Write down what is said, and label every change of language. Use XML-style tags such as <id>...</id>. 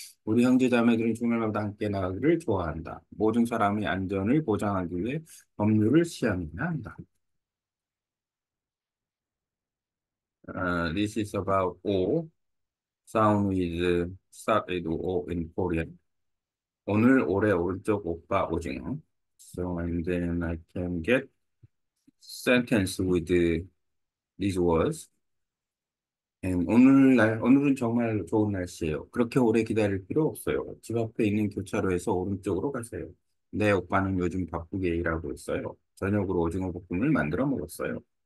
<ko>우리 형제자매들은 주말마다 함께 나가기를 좋아한다. 모든 사람이 안전을 보장하기 위해 법률을 시행해야 한다.</ko> <en>This is about O. Sound with started O in Korean.</en> <ko>오늘 올해 올쪽 오빠 오징어.</ko> <en>So and then I can get sentence with these words.</en> <ko>And 오늘은 정말 좋은 날씨예요. 그렇게 오래 기다릴 필요 없어요. 집 앞에 있는 교차로에서 오른쪽으로 가세요. 내 오빠는 요즘 바쁘게 일하고 있어요. 저녁으로 오징어 볶음을 만들어 먹었어요.</ko>